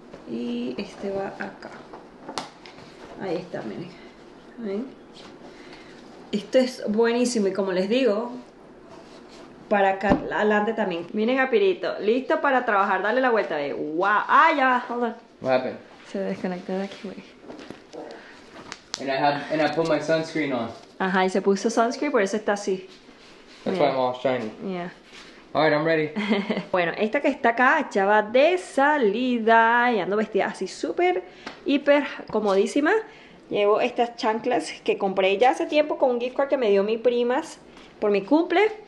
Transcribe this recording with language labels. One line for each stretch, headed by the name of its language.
Spanish: Y este va acá. Ahí está, miren. ¿Ven? Esto es buenísimo. Y como les digo, para acá adelante también. Miren a Pirito. Listo para trabajar. Dale la vuelta. ¿Ve? ¡Wow! ¡Ah, ya va!
English: Hold on. What happened?
Spanish: Se desconectó de aquí, güey.
English: And I put my sunscreen on.
Spanish: Ajá, y se puso sunscreen, por eso está así.
English: That's why I'm all shiny. Yeah. All right, I'm ready.
Spanish: Bueno, esta que está acá ya va de salida y ando vestida así súper, hiper comodísima. Llevo estas chanclas que compré ya hace tiempo con un gift card que me dio mi prima por mi cumple.